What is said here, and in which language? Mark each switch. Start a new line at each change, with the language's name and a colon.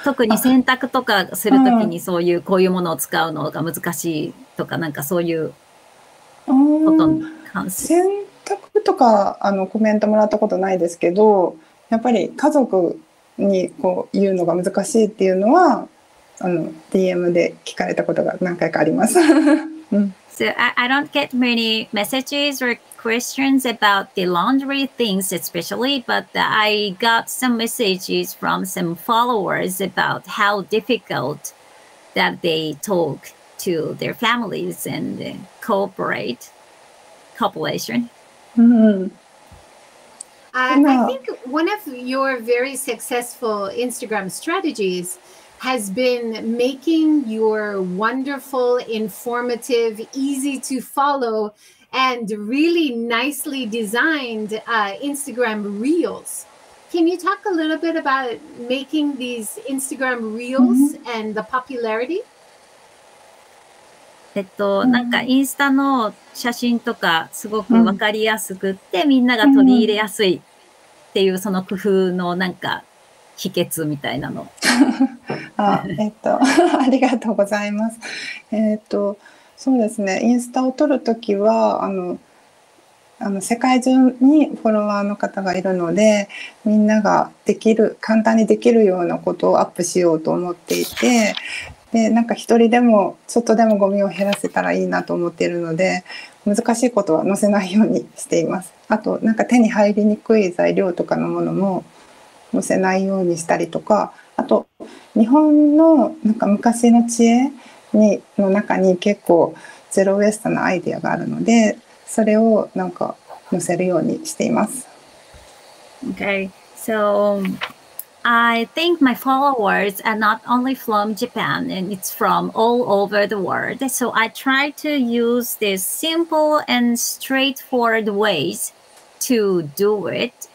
Japanese: 特に洗濯とかするときにそういう、こういうものを使うのが難しいとか、なんかそういうことに関する。とかコメントもらったことないですけど、やっぱり家族にこう言うのが難しいっていうのは DM で聞かれたことが何回かあります。
English: So I don't get many messages or questions about the laundry things especially, but I got some messages from some followers about how difficult that they talk to their families and cooperate cooperation. I think one of your very successful Instagram strategies has been making your wonderful, informative, easy to follow, and really nicely designed Instagram reels. Can you talk a little bit about making these Instagram reels and the popularity?
Japanese: なんかインスタの写真とかすごく分かりやすくって、みんなが取り入れやすいっていう、その工夫のなんか秘訣みたいなのあ、ありがとうございます。そうですね、インスタを撮るときは世界中にフォロワーの方がいるので、みんなができる、簡単にできるようなことをアップしようと思っていて、でなんか一人でもちょっとでもゴミを減らせたらいいなと思っているので、難しいことは載せないようにしています。あとなんか手に入りにくい材料とかのものも載せないようにしたりとか、あと日本のなんか昔の知恵にの中に結構ゼロウェストなアイデアがあるので、それをなんか載せるようにしています。
English: Okay, soI think my followers are not only from Japan, and it's from all over the world. So I try to use these simple and straightforward ways to do it.